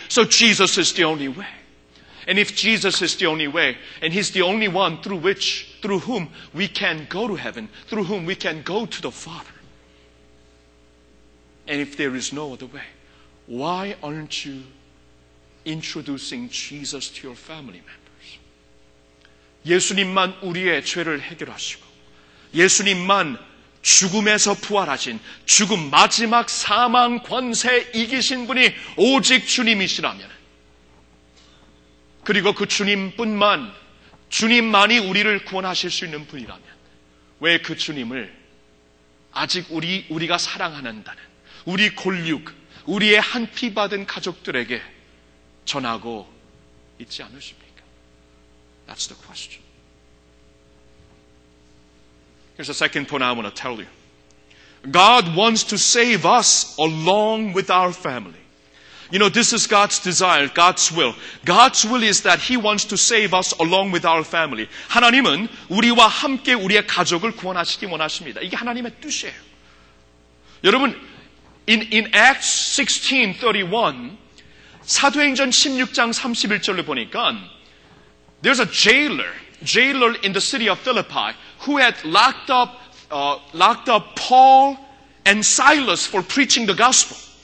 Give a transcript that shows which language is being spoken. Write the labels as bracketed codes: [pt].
[en] So Jesus is the only way. And if Jesus is the only way, and he's the only one through whom we can go to heaven, through whom we can go to the Father. And if there is no other way, why aren't you introducing Jesus to your family members? [ko] 예수님만 우리의 죄를 해결하시고, 예수님만 죽음에서 부활하신 죽음 마지막 사망 권세 이기신 분이 오직 주님이시라면 그리고 그 주님뿐만 주님만이 우리를 구원하실 수 있는 분이라면 왜 그 주님을 아직 우리가 사랑한다는 우리 곤륙 우리의 한피받은 가족들에게 전하고 있지 않으십니까? [en] That's the question. Here's the second point I want to tell you. God wants to save us along with our family. You know, this is God's desire, God's will. God's will is that He wants to save us along with our family. [ko] 하나님은 우리와 함께 우리의 가족을 구원하시기 원하십니다. 이게 하나님의 뜻이에요. 여러분, [en] in Acts 16:31, [ko] 사도행전 16장 31절을 보니까 [en] there's a jailer in the city of Philippi who had locked up Paul and Silas for preaching the gospel.